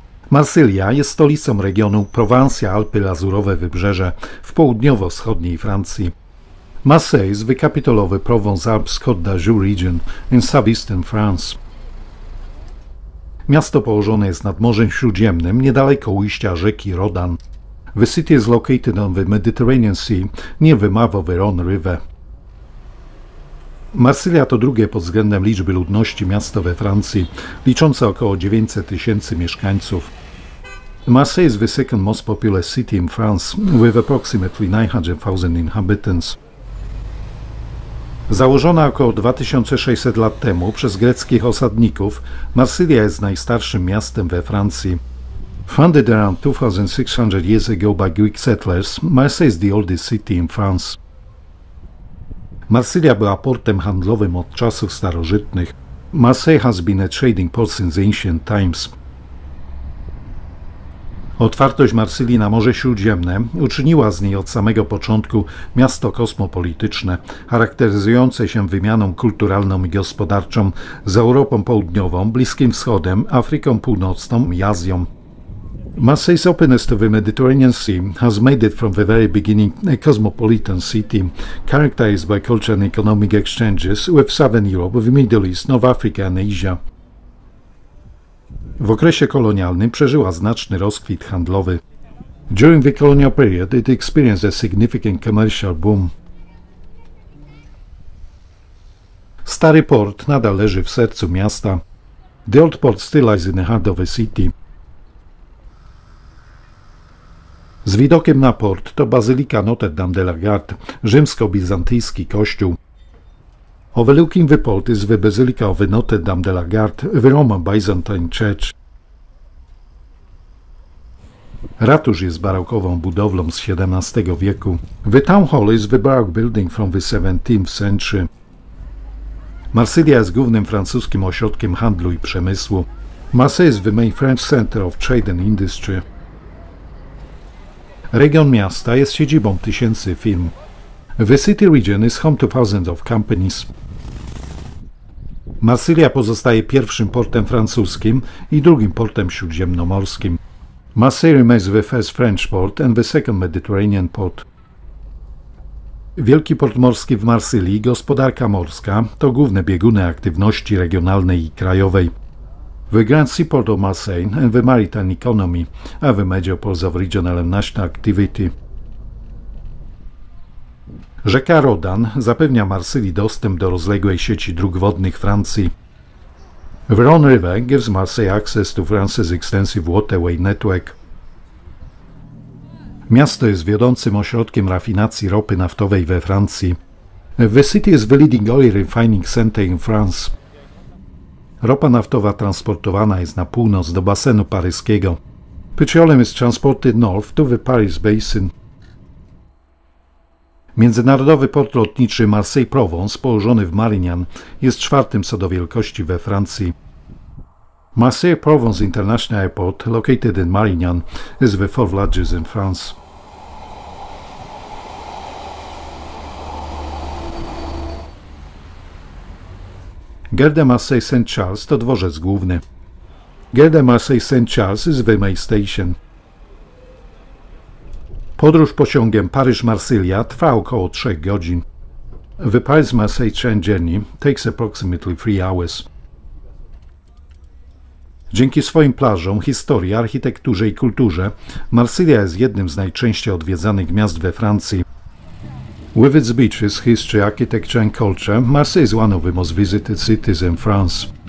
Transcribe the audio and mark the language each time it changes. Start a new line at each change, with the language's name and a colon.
Polish: Marsylia jest stolicą regionu Prowansja, Alpy, Lazurowe Wybrzeże w południowo-wschodniej Francji.
English: Marseille
Polish: jest wykapitolowy
English: Provence Alpes Côte d'Azur region in southeastern France.
Polish: Miasto położone jest nad Morzem Śródziemnym, niedaleko ujścia rzeki Rodan.
English: The city is located on the Mediterranean Sea, near the mouth of the Rhone River.
Polish: Marsylia to drugie pod względem liczby ludności miasto we Francji, liczące około 900 tysięcy mieszkańców.
English: Marseille is the second most populous city in France, with approximately 900,000 inhabitants.
Polish: Założona około 2600 lat temu przez greckich osadników, Marsylia jest najstarszym miastem we Francji.
English: Founded around 2600 years ago by Greek settlers, Marseille is the oldest city in France.
Polish: Marsylia była portem handlowym od czasów starożytnych.
English: Marseille has been a trading port since ancient times.
Polish: Otwartość Marsylii na Morze Śródziemne uczyniła z niej od samego początku miasto kosmopolityczne, charakteryzujące się wymianą kulturalną i gospodarczą z Europą Południową, Bliskim Wschodem, Afryką Północną i Azją.
English: Marseille's openness to the Mediterranean Sea has made it from the very beginning a cosmopolitan city, characterized by cultural and economic exchanges with Southern Europe, the Middle East, North Africa and Asia.
Polish: W okresie kolonialnym przeżyła znaczny rozkwit handlowy.
English: During the colonial period, it experienced a significant commercial boom.
Polish: Stary port nadal leży w sercu miasta.
English: The old port still lies in the heart of the city.
Polish: Z widokiem na port to Bazylika Notre Dame de la Garde, rzymsko-bizantyjski kościół.
English: Overlooking the port is the Basilica of Notre Dame de la Garde, the Roman Byzantine Church.
Polish: Ratusz jest barokową budowlą z XVII wieku.
English: The town hall is the baroque building from the 17th century.
Polish: Marsylia jest głównym francuskim ośrodkiem handlu i przemysłu.
English: Marseille is the main French center of trade and industry.
Polish: Region miasta jest siedzibą tysięcy firm.
English: The city region is home to thousands of companies.
Polish: Marsylia pozostaje pierwszym portem francuskim i drugim portem śródziemnomorskim.
English: Marseille remains the first French port and the second Mediterranean port.
Polish: Wielki port morski w Marsylii, gospodarka morska, to główne bieguny aktywności regionalnej i krajowej.
English: The Grand Seaport of Marseille and the maritime economy are the major ports of regional and national activity.
Polish: Rzeka Rodan zapewnia Marsylii dostęp do rozległej sieci dróg wodnych Francji.
English: The Rhone River gives Marseille access to France's extensive waterway network.
Polish: Miasto jest wiodącym ośrodkiem rafinacji ropy naftowej we Francji.
English: The city is the leading oil refining center in France.
Polish: Ropa naftowa transportowana jest na północ do basenu paryskiego.
English: Petroleum is transported north to the Paris Basin.
Polish: Międzynarodowy port lotniczy Marseille-Provence, położony w Marignan, jest czwartym co do wielkości we Francji.
English: Marseille-Provence International Airport, located in Marignan, is the fourth largest in France. Gare de Marseille-Saint-Charles to dworzec główny. Gare de Marseille-Saint-Charles is the main station.
Polish: Podróż pociągiem Paryż-Marsylia trwa około 3 godzin.
English: The Paris-Marseille train journey takes approximately 3 hours.
Polish: Dzięki swoim plażom, historii, architekturze i kulturze, Marsylia jest jednym z najczęściej odwiedzanych miast we Francji.
English: With its beaches, history, architecture and culture, Marseille is one of the most visited cities in France.